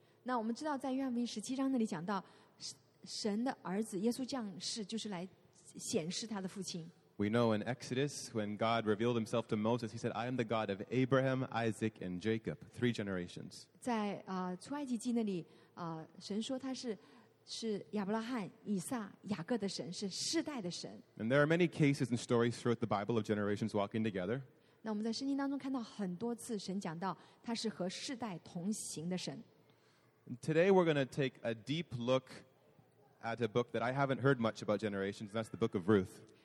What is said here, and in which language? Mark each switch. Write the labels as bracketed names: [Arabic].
[Chinese] 那我们知道在约翰福音17章那里讲到神的儿子耶稣降世就是来显示他的父亲。 [English] We know in Exodus when God revealed himself to Moses, he said, I am the God of Abraham, Isaac, and Jacob, three generations. [Chinese] 在出埃及记那里，神说他是亚伯拉罕、以撒、雅各的神，是世代的神。 [English] And there are many cases and stories throughout the Bible of generations walking together. [Chinese] 那我们在圣经当中看到很多次神讲到他是和世代同行的神。 [English] Today we're going to take a deep look at a book that I haven't heard much about generations, and that's the book of Ruth.